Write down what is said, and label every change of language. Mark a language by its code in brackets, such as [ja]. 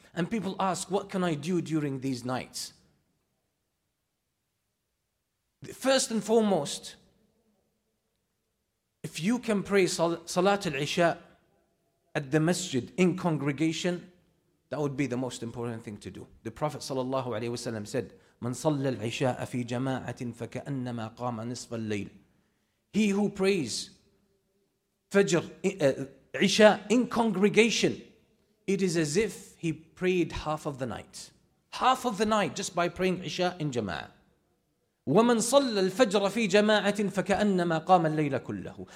[en] And people ask, what can I do during these nights? First and foremost, if you can pray Salat al-Isha at the masjid in congregation, that would be the most important thing to do. The Prophet [ar] sallallahu alayhi wasallam [en] said, [ar] من صلى العشاء في جماعة فكأنما قام نصف الليل. [en] He who prays Fajr, Isha, in congregation, it is as if he prayed half of the night. Half of the night just by praying Isha in jama'ah. [ar] وَمَنْ صَلَّ الْفَجْرَ فِي جَمَاعَةٍ فَكَأَنَّمَا قَامَ اللَّيْلَ كُلَّهُ.